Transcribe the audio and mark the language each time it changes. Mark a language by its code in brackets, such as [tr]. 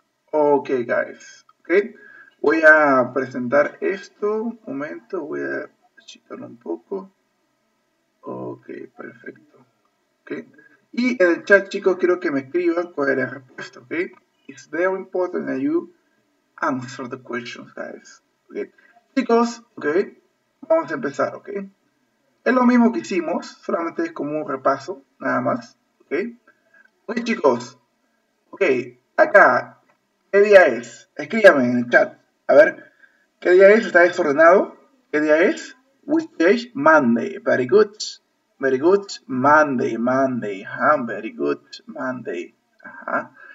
[en] Ok, guys. [es] Okay. Voy a presentar esto. Un momento, voy a achicarlo un poco. Ok, perfecto. Okay. Y en el chat, chicos, quiero que me escriban cuál es la respuesta. [en] Okay. It's very important that you answer the questions, guys. [es] Okay. Chicos, okay. Vamos a empezar, ¿ok? Es lo mismo que hicimos, solamente es como un repaso, nada más, ¿ok? Ok, chicos, ok, acá, ¿qué día es? Escríbame en el chat, a ver, ¿qué día es? Está desordenado, ¿qué día es? [en] Which day is Monday, very good, Monday, very good, Monday, ajá.